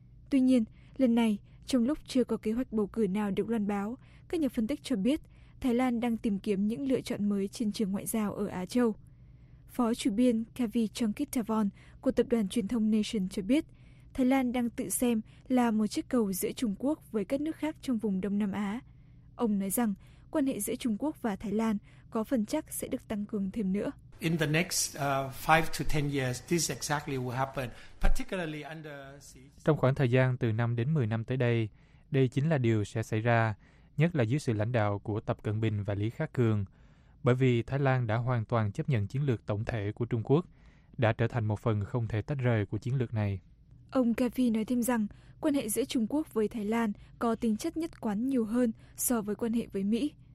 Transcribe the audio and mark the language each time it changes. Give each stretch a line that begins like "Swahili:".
Vietnamese: Tuy nhiên, lần này, trong lúc chưa có kế hoạch bầu cử nào được loan báo, các nhà phân tích cho biết Thái Lan đang tìm kiếm những lựa chọn mới trên trường ngoại giao ở Á Châu. Phó chủ biên Kavi Chankitavon của tập đoàn truyền thông Nation cho biết Thái Lan đang tự xem là một chiếc cầu giữa Trung Quốc với các nước khác trong vùng Đông Nam Á. Ông nói rằng quan hệ giữa Trung Quốc và Thái Lan có phần chắc sẽ được tăng cường thêm nữa.
English: In the next 5 to 10 years, this exactly will happen, particularly under
Vietnamese: trong khoảng thời gian từ 5 đến 10 năm tới đây, đây chính là điều sẽ xảy ra, nhất là dưới sự lãnh đạo của Tập Cận Bình và Lý Khắc Cường, bởi vì Thái Lan đã hoàn toàn chấp nhận chiến lược tổng thể của Trung Quốc, đã trở thành một phần không thể tách rời của chiến lược này. Ông Kavi nói thêm rằng quan hệ giữa Trung Quốc với Thái Lan có tính chất nhất quán nhiều hơn so với quan hệ với Mỹ.